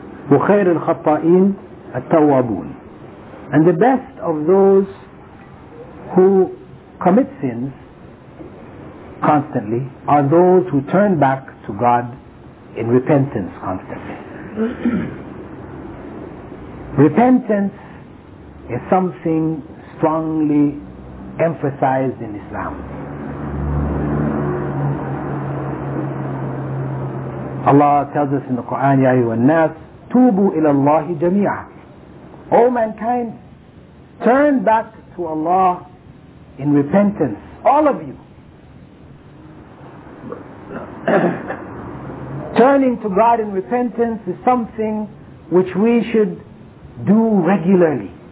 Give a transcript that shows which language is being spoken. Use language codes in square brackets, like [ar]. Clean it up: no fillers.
[ar] وخير الخطائين التوابون. [en] And the best of those who commit sins constantly are those who turn back to God in repentance constantly. Repentance is something strongly emphasized in Islam. Allah tells us in the Quran, [ar] يَا أَيُّهَا النَّاسُ تُوبُوا إِلَى اللَّهِ جَمِيعًا. [en] O mankind, turn back to Allah in repentance, all of you. Turning to God in repentance is something which we should do regularly.